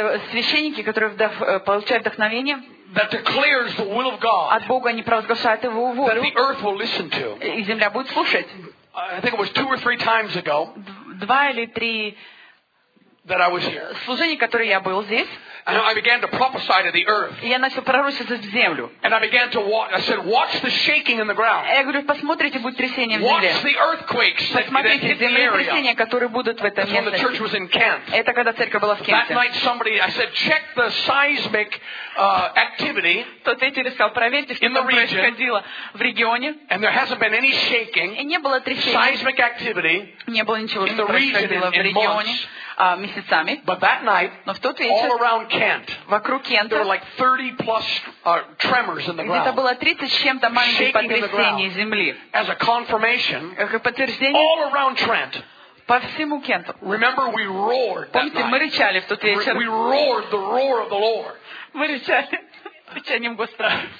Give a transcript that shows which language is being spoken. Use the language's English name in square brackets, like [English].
[Russian] священники, которые получают вдохновение [English] that declares the will of God, [Russian] от Бога, они провозглашают Его волю, [English] that the earth will listen to. [Russian] И земля будет слушать. [English] I think it was two or three times ago, [Russian] два или три [English] that I was here. [Russian] Служения, которые я был здесь. [English] And I began to prophesy to the earth. [Russian] Я начал пророчествовать в землю. [English] And I began to watch. I said, "Watch the shaking in the ground." [Russian] Я говорю, посмотрите, будет трясение в [English] земле. Watch the earthquakes. [Russian] Посмотрите землетрясения, которые будут в этом месте. [English] When the church was in Kent. [Russian] Это когда церковь была в Кенте. [English] That night, somebody, I said, "Check the seismic activity." [Russian] Тот ветер сказал, проверьте, что происходило в регионе. [English] And there hasn't been any shaking. [Russian] И не было трясений. [English] Seismic activity. [Russian] Не было ничего, что происходило в регионе. Месяцами. [English] But that night, [Russian] но в тот вечер, [English] all around Kent, [Russian] вокруг Кента, [English] there were like 30 plus tremors in the ground. [Russian] Где-то было 30 с чем-то маленьких потрясений земли. [English] As a confirmation, [Russian] как подтверждение, [English] all around Trent, [Russian] по всему Кенту. [English] Remember, we roared that [Russian] помните, [English] night. [Russian] Мы рычали в тот вечер. [English] We roared the roar of the Lord. [Russian] Мы рычали рычанием Господа.